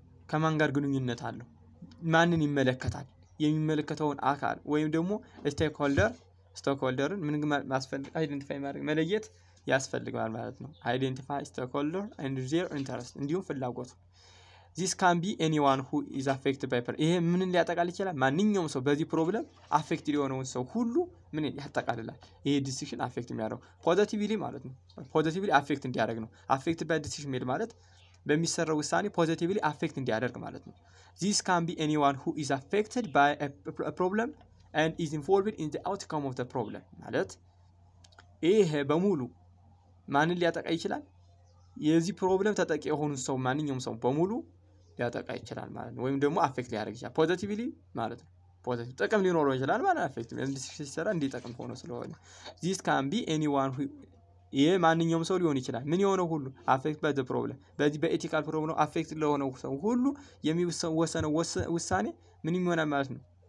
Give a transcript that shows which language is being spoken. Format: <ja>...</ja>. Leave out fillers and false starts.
<am>ከማን ጋር ግንኙነት አለው? ማንን ይመለከታል? የሚመለከተውን አካል ወይም ደግሞ ስቴክሆልደርን ምንም ማስፈልግ አይደንቲፋይ ማድረግ መለየት ያስፈልጋል ማለት ነው።</am> <en>አይደንቲፋይ ስቴክሆልደር ኤንድ ዘር ኢንተረስት</en> <am>እንዲሁም ፍላጎት።</am> <en>this can be anyone who is affected by problem</en> <am>ይሄ ምንን ሊያጠቃል ይችላል? ማንኛውም ሰው በዚህ ፕሮብለም አፌክትድ የሆነውን ሰው ሁሉ ምን ያጠቃልላል ይሄ ዲሲዥን አፌክት የሚያደርገው ፖዚቲቭሊ ማለት ነው። ፖዚቲቭሊ አፌክት እንዲያደርግ ነው።</am> <en>አፌክትድ ባይ ዲሲዥን ሜድ</en> <am>ማለት በሚሰራው ውሳኔ ፖዚቲቭሊ አፌክት እንዲያደርግ ማለት ነው።</am> <en>This can be anyone who is affected by a problem and is involved in the outcome of the problem.</en> <am>ማለት ይሄ በሙሉ ማን ሊያጠቃ ይችላል? የዚህ ፕሮብለም ተጠቂ የሆኑ ሰው ማንኛውም ሰው በሙሉ ሊያጠቃ ይችላል ማለት ነው። ወይም ደግሞ አፌክት ሊያደርግ ይችላል ፖዚቲቭሊ ማለት ነው። ፖዚቲቭ ጠቀም ሊኖረው ይችላል ማለት አፌክት እንዲሰራ እንዲጠቅም ሆኖ ስለሆነ</am> <en>This can be anyone who</en> <am>ይሄ ማንኛውም ሰው ሊሆን ይችላል። ምን የሆነው ሁሉ አፌክት በዚህ ፕሮብለም በዚህ በኤቲካል ፕሮብለም አፌክት ለሆነው ሰው ሁሉ የሚወሰነው ውሳኔ ምን ይሆናል ማለት ነው?</am>